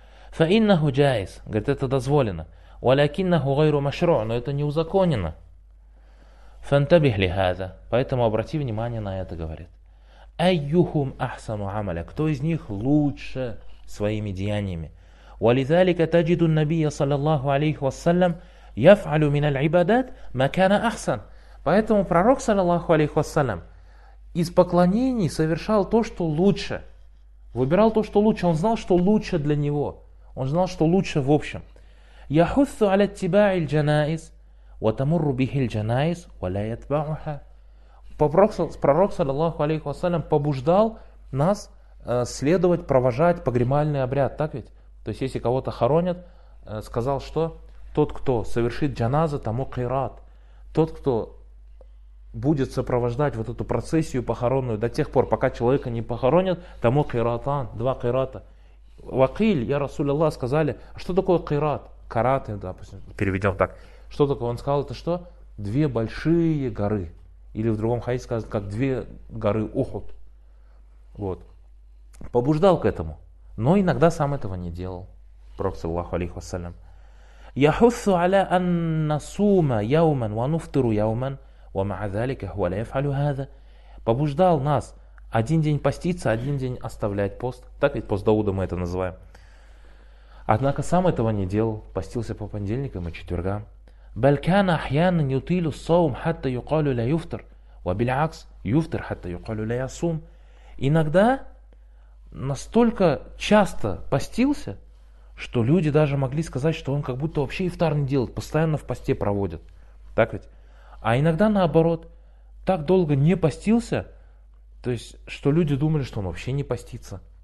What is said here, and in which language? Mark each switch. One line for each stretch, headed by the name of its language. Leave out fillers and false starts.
Arabic: Фаиннаху джаиз.
Russian: Говорит, это дозволено.
Arabic: Валякиннаху гайру машро.
Russian: Но это не узаконено.
Arabic: Фантабих ли хаза.
Russian: Поэтому обрати внимание на это, говорит.
Arabic: Айюхум ахсану амаля.
Russian: Кто из них лучше своими деяниями?
Arabic: ولذلك تجد النبي صلى الله عليه وسلم يفعل من العبادات ما كان أحسن.
Russian: Поэтому пророк саллаллаху алейхи ва саллям из поклонений совершал то, что лучше. Выбирал то, что лучше. Он знал, что лучше для него. Он знал, что лучше в общем.
Arabic: يحث على اتباع الجنائز وتمر به الجنائز ولا يتبعها.
Russian: Пророк саллаллаху алейхи ва саллям побуждал нас следовать, провожать погребальный обряд, так ведь? То есть, если кого-то хоронят, сказал, что тот, кто совершит джаназа, тому кайрат. Тот, кто будет сопровождать вот эту процессию похоронную до тех пор, пока человека не похоронят, тому кайратан, 2 кайрата.
Arabic: Вакиль, я Расулаллах,
Russian: сказали, что такое кайрат? Караты, допустим, переведем так. Что такое? Он сказал, это что? 2 большие горы. Или в другом хадисе сказано, как 2 горы Ухуд. Вот. Побуждал к этому. Но иногда сам этого не делал. Пророк саллаллаху алейхи ва саллям.
Arabic: يحث على أن نصوم يوما ونفطر يوما ومع ذلك هو لا يفعل هذا.
Russian: Побуждал нас один день поститься, один день оставлять пост. Так ведь пост Дауда мы это называем. Однако сам этого не делал. Постился по понедельникам и четвергам.
Arabic: بل كان أحيانا يطيل الصوم حتى يقال لا يفطر وبالعكس يفطر حتى يقال لا يصوم.
Russian: Иногда настолько часто постился, что люди даже могли сказать, что он как будто вообще ифтар не делает, постоянно в посте проводит. Так ведь? А иногда наоборот, так долго не постился, то есть, что люди думали, что он вообще не постится.